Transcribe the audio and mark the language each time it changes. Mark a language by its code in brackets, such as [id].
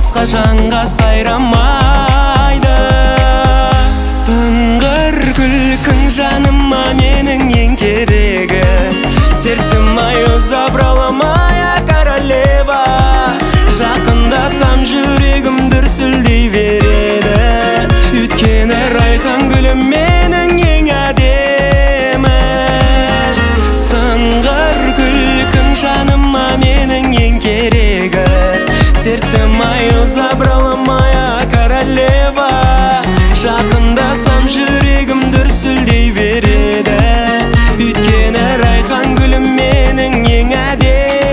[kk] Жанға сайрамайды. Сыңғыр күлкің жаныма менің ең керегі. [ru] Сердце мое забрала моя королева. [kk] Жақындасам жүрегім дүрсілдей береді. Өйткені райхан гүлім менің ең әдемі. Сыңғыр күлкің жаныма менің ең керегі. [ru] Сердце мое забрала моя королева. [kk] Жақындасам жүрегім дүрсілдей береді. Өйткені райхан гүлім менің ең әдемі.